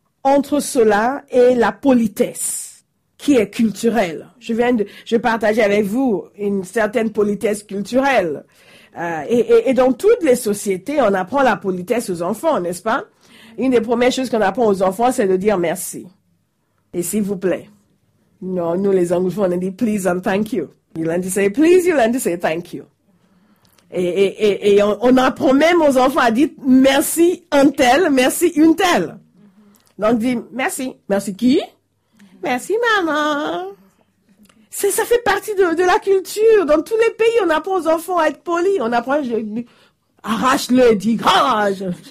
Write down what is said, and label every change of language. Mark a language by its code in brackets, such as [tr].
[fr] entre cela et la politesse qui est culturelle. Je partageais avec vous une certaine politesse culturelle. Et dans toutes les sociétés, on apprend la politesse aux enfants, n'est-ce pas? Une des premières choses qu'on apprend aux enfants, c'est de dire merci. Et s'il vous plaît. Non, nous les anglophones, on dit [en] please and thank you. You learn to say please, you learn to say thank you. [fr] Et on apprend même aux enfants à dire merci un tel, merci une telle. Donc, dit merci. Merci qui? Merci maman. Ça fait partie de la culture. Dans tous les pays, on apprend aux enfants à être polis. On apprend, arrache-le, dis grâce.